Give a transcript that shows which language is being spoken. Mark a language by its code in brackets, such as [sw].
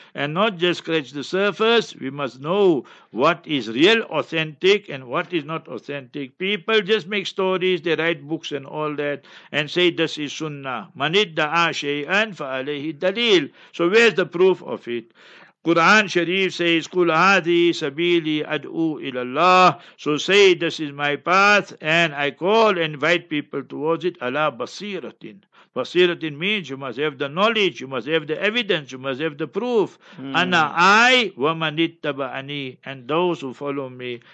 [en] And not just scratch the surface. We must know what is real, authentic, and what is not authentic. People just make stories, they write books and all that, and say this is sunnah. [ar] Man idda'a shay'an fa alayhi dalil. [en] So where's the proof of it? Quran Sharif says, [ar] قُلْ هَذِي سَبِيلِي أَدْءُ إِلَى اللَّهِ. [en] So say, this is my path, and I call and invite people towards it. [ar] Ala basiratin. [en] Basiratin means you must have the knowledge, you must have the evidence, you must have the proof. [ar] Ana I wa manittaba'ani, [en] and those who follow me.